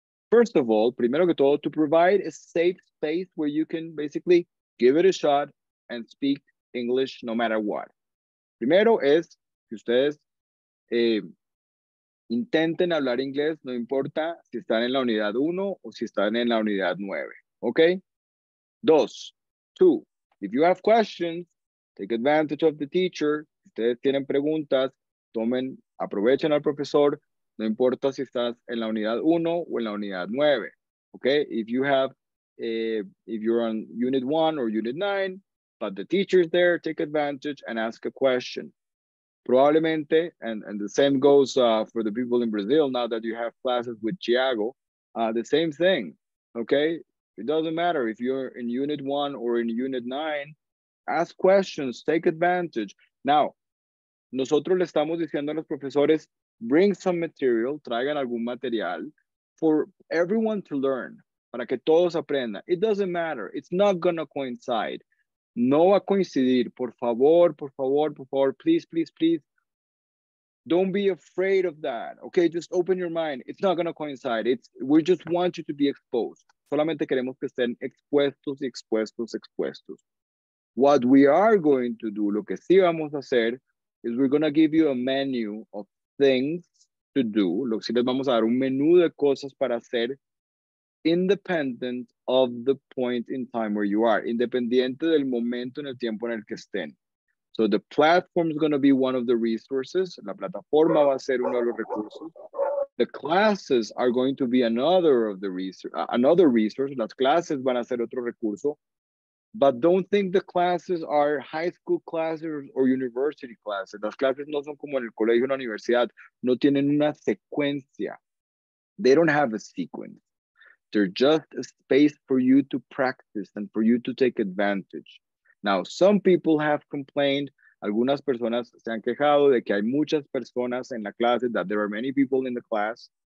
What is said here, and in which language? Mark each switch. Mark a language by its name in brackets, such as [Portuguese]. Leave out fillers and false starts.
[English] First of all, [Spanish] primero que todo, [English] to provide a safe space where you can basically give it a shot and speak English no matter what. [Spanish] Primero es que ustedes intenten hablar inglés, no importa si están en la unidad 1 o si están en la unidad 9, okay? [English] Two, if you have questions, take advantage of the teacher. [Spanish] Si ustedes tienen preguntas, tomen, aprovechen al profesor, no importa si estás en la unidad 1 o en la unidad 9, okay? [English] If you have, if you're on unit 1 or unit 9, but the teacher is there, take advantage and ask a question. Probablemente, and the same goes for the people in Brazil, now that you have classes with Thiago, the same thing, okay? It doesn't matter if you're in unit 1 or in unit 9, ask questions, take advantage. [Spanish] Now, nosotros le estamos diciendo a los profesores, [English] bring some material, [Spanish] traigan algún material, [English] for everyone to learn, [Spanish] para que todos aprendan. [English] It doesn't matter, it's not gonna coincide. [Spanish] No va a coincidir, por favor, [English] por favor, por favor, please, please, please. Don't be afraid of that, okay? Just open your mind. It's not going to coincide. We just want you to be exposed. [Spanish] Solamente queremos que estén expuestos y expuestos, expuestos. [English] What we are going to do, [Spanish] lo que sí vamos a hacer, [English] is we're going to give you a menu of things to do. [Spanish] Lo que sí les vamos a dar un menú de cosas para hacer, [English] independent of the point in time where you are, [Spanish] independiente del momento en el tiempo en el que estén. [English] So the platform is going to be one of the resources. [Spanish] La plataforma va a ser uno de los recursos. [English] The classes are going to be another resource. [Spanish] Las clases van a ser otro recurso. [English] But don't think the classes are high school classes or university classes. [Spanish] Las clases no son como en el colegio o la universidad. No tienen una secuencia. [English] They don't have a sequence. They're just a space for you to practice and for you to take advantage. Now, some people have complained, [Spanish] algunas personas se han quejado de que hay muchas personas en la clase, [English] that there are many people in the class.